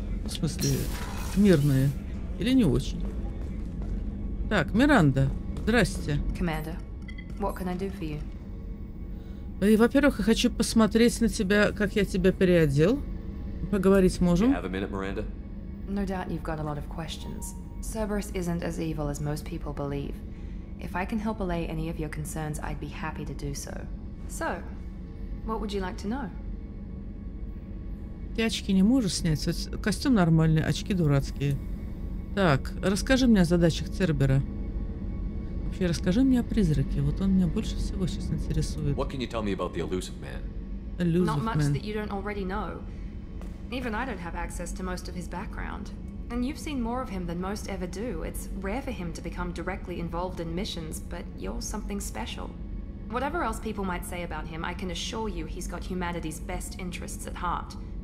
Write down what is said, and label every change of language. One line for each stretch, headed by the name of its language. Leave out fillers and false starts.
Russian: В смысле, мирные. Или не очень. Так, Миранда, здрасте.
English: Commander, what can I do for you?
Russian: И, во-первых, я хочу посмотреть на тебя, как я тебя переодел. Поговорить можем?
English: You have a minute, Miranda? No doubt you've got a lot of questions. Cerberus isn't as evil as most people believe. If I can help allay any of your concerns, I'd be happy to do so. So, what would you like to know?
Russian: Ты очки не можешь снять? Костюм нормальный, очки дурацкие. Так, расскажи мне о задачах Цербера. Вообще, расскажи мне о призраке. Вот он меня больше всего сейчас интересует.
English: What can you tell me about the elusive man? Elusive man. Not much that you don't already know. Even I don't have access to most of his background. And you've seen more of him than most ever do. It's rare for him to become directly involved in missions, but you're something special. Whatever else people might say about him, I can assure you he's got humanity's best interests at heart.